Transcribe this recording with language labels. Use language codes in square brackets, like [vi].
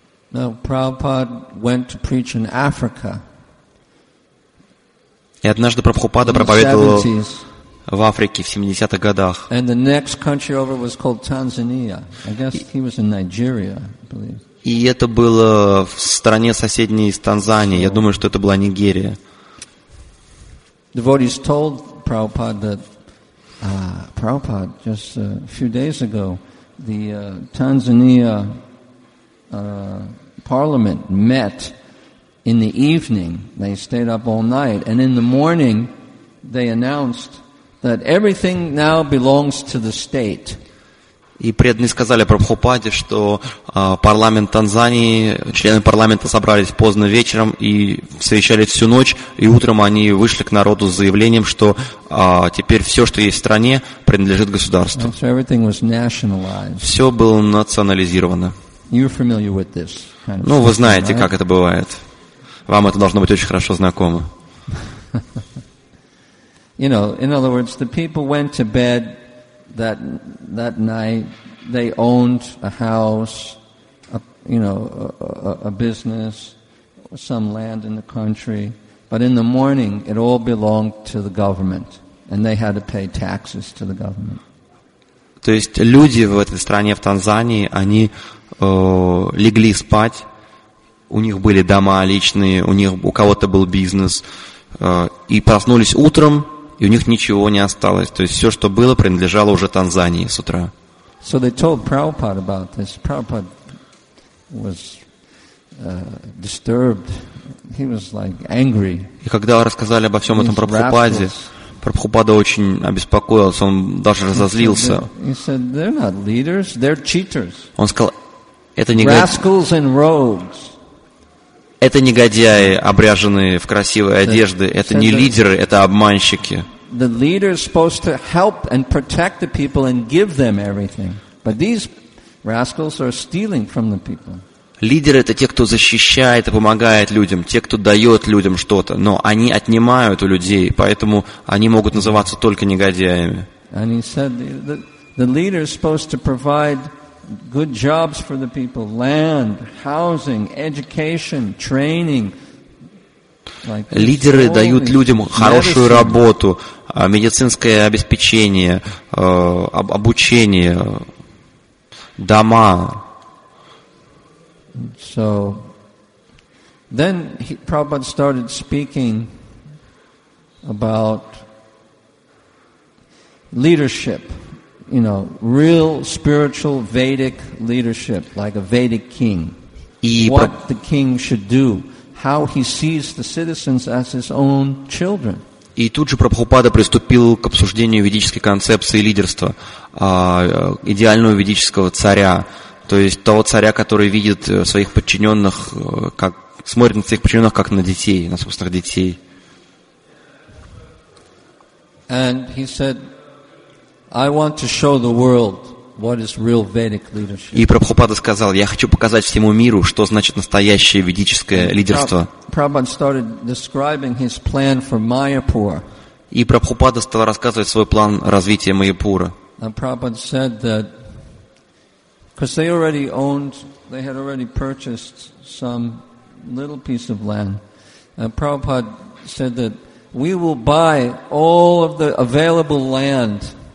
[en] Now, Prabhupada went to preach in Africa. [ru] И однажды Прабхупада проповедовал в Африке в 70-х годах. [en] And the next country over was called Tanzania. I guess he was in Nigeria, I believe. [ru] И это было в стране соседней с Танзанией. Я думаю, что это была Нигерия. [en] Devotees told Prabhupada that Prabhupada just a few days ago the Tanzania Parliament met in the evening. They stayed up all night, and in the morning, they announced that everything now belongs to the state. [ru] И преданные сказали Прабхупаде, что парламент Танзании, члены парламента собрались поздно вечером и совещали всю ночь, и утром они вышли к народу с заявлением, что теперь все, что есть в стране, принадлежит государству. [en] So everything was nationalized. [ru] Все было национализировано. [en] You're familiar with this kind of thing, right? [ru] Ну, вы знаете, как это бывает. Вам это должно быть очень хорошо знакомо. [en] You know, in other words, the people went to bed that night. They owned a house, a business, some land in the country. But in the morning, it all belonged to the government, and they had to pay taxes to the government. [ru] То есть люди в этой стране, в Танзании, они легли спать, у них были дома личные, у кого-то был бизнес, и проснулись утром, и у них ничего не осталось. То есть все, что было, принадлежало уже Танзании с утра. [en] So they told Prabhupada about this. Prabhupada was disturbed. He was like angry. [ru] И когда рассказали обо всем этом Прабхупаде, Прабхупада очень обеспокоился, он даже разозлился. [en] He said, they're not leaders, they're cheaters. [ru] Он сказал, [en] Rascals and rogues. [ru] Это негодяи, обряженные в красивые одежды. Это не лидеры, это обманщики. [en] The leader is supposed to help and protect the people and give them everything, but these rascals are stealing from the people. [ru] Лидеры — это те, кто защищает и помогает людям, те, кто дает людям что-то, но они отнимают у людей, поэтому они могут называться только негодяями. [en] And he said the leader is supposed to provide good jobs for the people, land, housing, education, training. [ru] Лидеры дают людям хорошую работу, медицинское обеспечение, обучение, дома. [en] So then Prabhupada started speaking about leadership. You know, real spiritual Vedic leadership, like a Vedic king. What the king should do, how he sees the citizens as his own children. [ru] И тут же Прабхупада приступил к обсуждению ведической концепции лидерства, идеального ведического царя, то есть того царя, который видит своих подчиненных, как смотрит на своих подчиненных как на детей, на собственных детей. [en] And he said, I want to show the world what is real Vedic leadership. [ru] И Прабхупада сказал, я хочу показать всему миру, что значит настоящее ведическое лидерство. [en] Prabhupada started describing his plan for Mayapur. [ru] И Прабхупада стал рассказывать свой план развития Майяпура. [en] And Prabhupada said that because they had already purchased some little piece of land. And Prabhupada said that we will buy all of the available land.